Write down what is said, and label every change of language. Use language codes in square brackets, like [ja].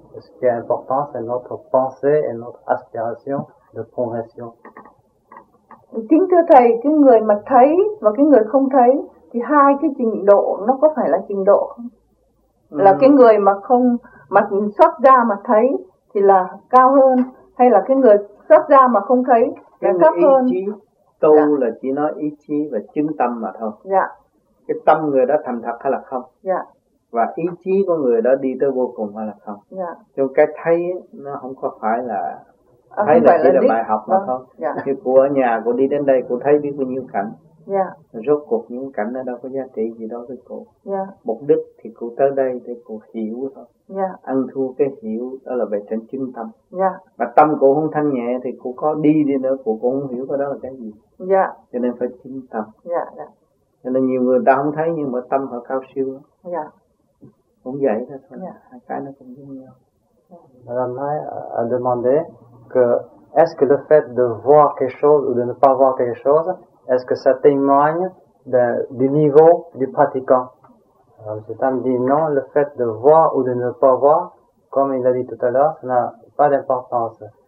[fr] Ce qui est important, c'est notre pensée et notre aspiration de progression. [vi] Kính thưa thầy, cái người mà thấy và cái người không thấy, thì hai cái trình độ nó có phải là trình độ không? Là cái người mà không mà xuất ra mà thấy thì là cao hơn, hay là cái người xuất ra mà không thấy là thấp hơn? Tu dạ. là chỉ nói ý chí và chứng tâm mà thôi. Dạ. Cái tâm người đó thành thật hay là không? Dạ. Và ý chí của người đó đi tới vô cùng hay là không? Dạ. Chứ cái thấy nó không có phải là thấy là chỉ là bài học mà thôi. Dạ. Cô ở nhà cô đi đến đây cô thấy biết bao nhiêu cảnh. Dạ. Rốt cuộc những cảnh đó đâu có giá trị gì đâu với cô. Dạ. Mục đích thì cô tới đây để cô hiểu thôi. Dạ. Ăn thua cái hiểu đó là về trên chứng tâm. Dạ. Mà tâm cô không thanh nhẹ thì cô có đi nữa cô cũng không hiểu cái đó là cái gì. Dạ. Cho nên phải chứng tâm. Dạ. Dạ. Cho nên nhiều người ta không thấy nhưng mà tâm họ cao siêu. Dạ. Cũng vậy thôi. Dạ. Hai cái nó cũng giống nhau. [fr] Madame Mai a demandé que est-ce que le fait de voir quelque chose ou de ne pas voir quelque chose, est-ce que ça témoigne du niveau du pratiquant? Alors, cet homme dit non, le fait de voir ou de ne pas voir, comme il l'a dit tout à l'heure, ça n'a pas d'importance.